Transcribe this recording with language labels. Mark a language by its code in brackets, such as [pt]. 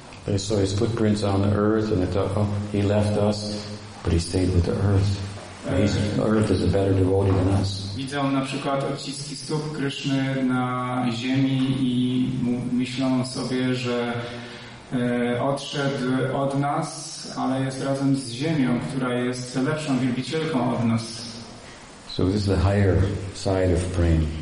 [en] They saw his footprints on the earth and they thought, oh, he left us, but he stayed with the earth. Earth is a better devotee than us. [pl] Widzą na przykład odciski stóp Kryszny na ziemi i myślą sobie, że odszedł od nas, ale jest razem z ziemią, która jest lepszą wielbicielką od nas. [en] So this is the higher side of praying.